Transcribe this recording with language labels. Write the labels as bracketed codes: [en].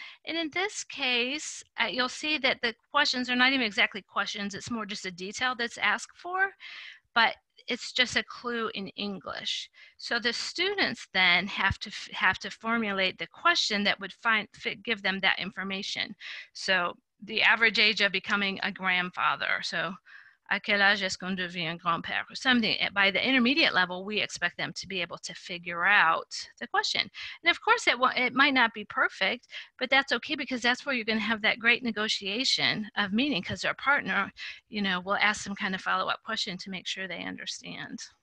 [en] And in this case, you'll see that the questions are not even exactly questions, it's more just a detail that's asked for, but it's just a clue in English. So the students then have to formulate the question that would give them that information. So the average age of becoming a grandfather. [fr] So à quel âge est-ce qu'on devient un grand-père? [en] Something by the intermediate level, we expect them to be able to figure out the question. And of course, it might not be perfect, but that's okay, because that's where you're going to have that great negotiation of meaning, because their partner, you know, will ask some kind of follow-up question to make sure they understand.